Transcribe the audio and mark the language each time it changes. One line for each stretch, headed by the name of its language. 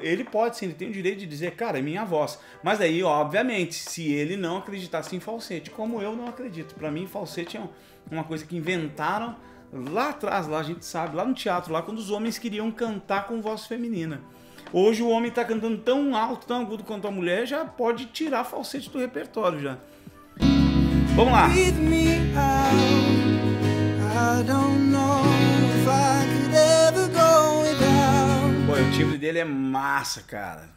Portuguese: Ele pode sim, ele tem o direito de dizer, cara, é minha voz. Mas aí, obviamente, se ele não acreditasse em falsete, como eu não acredito. Para mim, falsete é uma coisa que inventaram lá atrás, lá a gente sabe, lá no teatro, lá quando os homens queriam cantar com voz feminina. Hoje o homem tá cantando tão alto, tão agudo quanto a mulher, já pode tirar falsete do repertório já. Vamos lá.
English: Breathe me out. I don't know if I could ever go without.
Portuguese: Pô, o timbre dele é massa, cara.